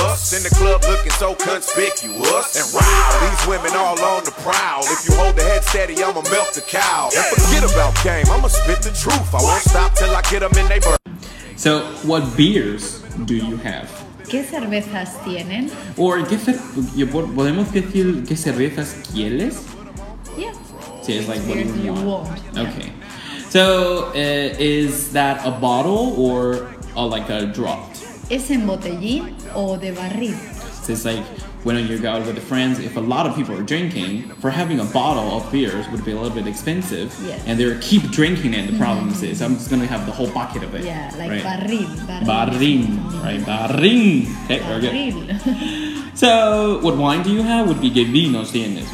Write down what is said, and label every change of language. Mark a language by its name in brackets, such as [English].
[English] In the club looking so conspicuous and wild. These women all on the prowl. If you hold the head steady, I'ma melt the cow. And forget about game, I'ma spit the truth. I won't stop till I get them in their birth. So, what beers do you have? [Spanish] ¿Qué cervezas tienen? Or, ¿podemos decir qué cervezas quieres? [English] Yeah. So, it's like what beers you want. Okay. So, is that a bottle or like a drop? [Spanish] Es en botellín o de barril. [English] So it's like when you go out with the friends, if a lot of people are drinking, for having a bottle of beers would be a little bit expensive. Yes. And they keep drinking it, the problem is I'm just going to have the whole bucket of it. Yeah, like right. Barril. Barril. Right, barril. Okay, [Spanish] barril. [English] Very good. So what wine do you have would be [Spanish] ¿qué vinos tienes?